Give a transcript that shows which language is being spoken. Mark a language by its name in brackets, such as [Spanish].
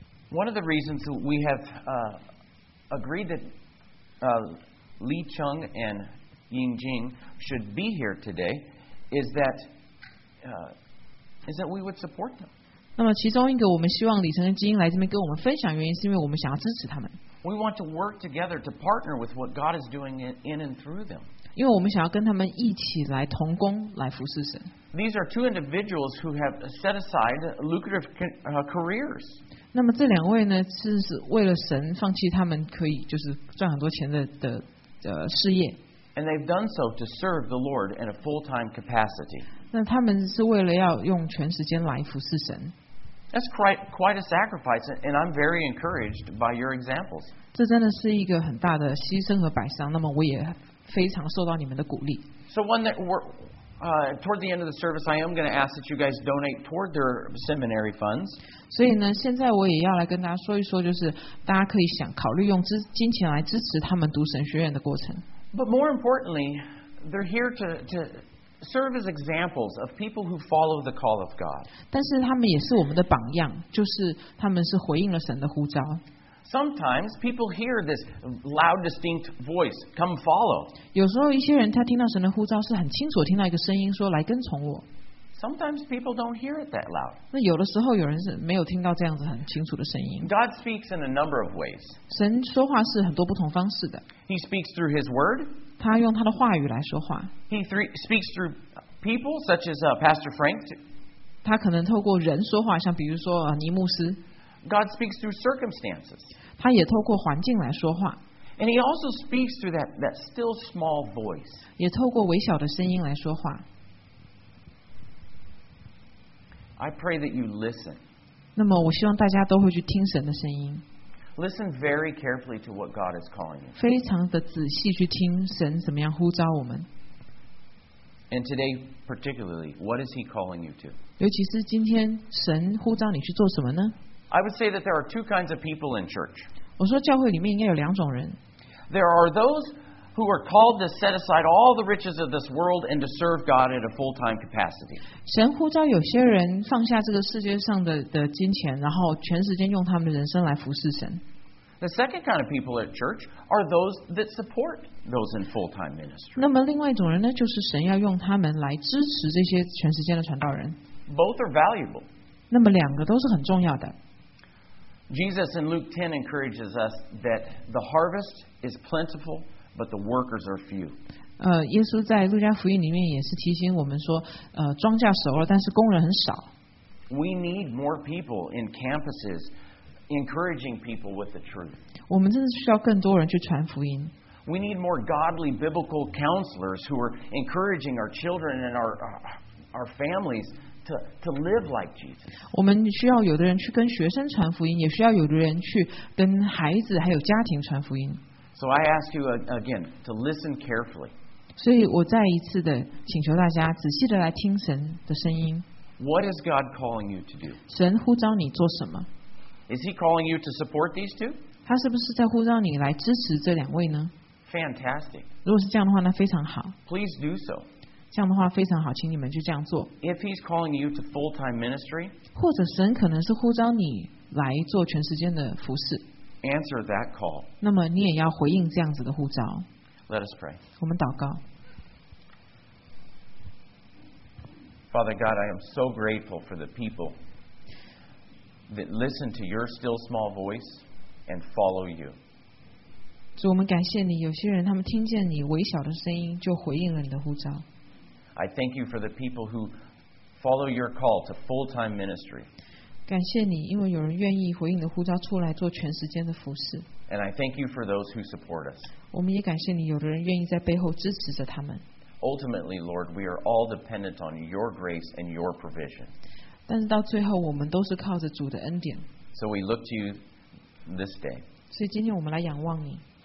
[English] One of the reasons we have agreed that Lee Chung andYingjing should be here today is that we would support them. [Chinese] 那么其中一个我们希望李晨跟金英来这边跟我们分享原因是因为我们想要支持他们。 [English] We want to work together to partner with what God is doing in and through them. [Chinese] 因为我们想要跟他们一起来同工来服侍神。 [English] These are two individuals who have set aside lucrative careers. [Chinese] 那么这两位呢是为了神放弃他们可以就是赚很多钱的事业。 [English] And they've done so to serve the Lord in a full-time capacity. [Chinese] 那他们是为了要用全时间来服侍神。 [English] That's quite a sacrifice, and I'm very encouraged by your examples. [Chinese] 这真的是一个很大的牺牲和摆上，那么我也非常受到你们的鼓励。 [English] So one that we're, toward the end of the service, I am going to ask that you guys donate toward their seminary funds. [Chinese] 所以呢，现在我也要来跟大家说一说，就是大家可以想考虑用金钱来支持他们读神学院的过程。 [English] But more importantly, they're here to serve as examples of people who follow the call of God. [Chinese] 但是他们也是我们的榜样，就是他们是回应了神的呼召。 [English] Sometimes people hear this loud, distinct voice, "Come follow." [Chinese] 有时候一些人他听到神的呼召是很清楚听到一个声音说来跟从我。 [English] Sometimes people don't hear it that loud. [Chinese] 那有的时候有人是没有听到这样子很清楚的声音。 [English] God speaks in a number of ways. [Chinese] 神说话是很多不同方式的。 [English] He speaks through His Word. [Chinese] 他用他的话语来说话。 [English] He speaks through people such as Pastor Frank. [Chinese] 他可能透过人说话，像比如说尼牧师。 [English] God speaks through circumstances. [Chinese] 他也透过环境来说话。 [English] And He also speaks through that still small voice. [Chinese] 也透过微小的声音来说话。 [English] I pray that you listen. [Chinese] 那么我希望大家都会去听神的声音。 [English] Listen very carefully to what God is calling you. [Chinese] 非常的仔细去听神怎么样呼召我们。 [English] And today particularly, what is He calling you to? [Chinese] 尤其是今天神呼召你去做什么呢？ [English] I would say that there are two kinds of people in church. [Chinese] 我说教会里面应该有两种人。 [English] There are those who are called to set aside all the riches of this world and to serve God at a full-time capacity. [Chinese] 神呼召有些人放下这个世界上的金钱，然后全时间用他们的人生来服侍神。 [English] The second kind of people at church are those that support those in full-time ministry. [Chinese] 那么另外一种人呢，就是神要用他们来支持这些全时间的传道人。 [English] Both are valuable. [Chinese] 那么两个都是很重要的。 [English] Jesus in Luke 10 encourages us that the harvest is plentiful. But the workers are few. [Chinese] 耶稣在路加福音里面也是提醒我们说，庄稼熟了，但是工人很少。 [English] We need more people in campuses encouraging people with the truth. [Chinese] 我们真的需要更多人去传福音。 [English] We need more godly biblical counselors who are encouraging our children and our families to live like Jesus. [Chinese] 我们需要有的人去跟学生传福音，也需要有的人去跟孩子还有家庭传福音。 [English] So I ask you again to listen carefully. [Chinese] 所以我再一次的请求大家仔细的来听神的声音。 [English] What is God calling you to do? [Chinese] 神呼召你做什么？ [English] Is He calling you to support these two? [Chinese] 他是不是在呼召你来支持这两位呢？ [English] Fantastic. [Chinese] 如果是这样的话，那非常好。 [English] Please do so. [Chinese] 这样的话非常好，请你们就这样做。 [English] If He's calling you to full-time ministry, [Chinese] 或者神可能是呼召你来做全时间的服事。 [English] Answer that call. [Chinese] 那么你也要回应这样子的呼召。 [English] Let us pray. [Chinese] 我们祷告。 [English] Father God, I am so grateful for the people that listen to your still small voice and follow you. [Chinese] 主，我们感谢你，有些人他们听见你微小的声音就回应了你的呼召。 [English] I thank you for the people who follow your call to full-time ministry. [Chinese] 感谢你，因为有人愿意回应的呼召出来做全时间的服事。 [English] And I thank you for those who support us. [Chinese] 我们也感谢你，有的人愿意在背后支持着他们。 [English] Ultimately, Lord, we are all dependent on your grace and your provision. [Chinese] 但是到最后，我们都是靠着主的恩典。 [English] So we look to you this day. [Chinese] 所以今天我们来仰望你。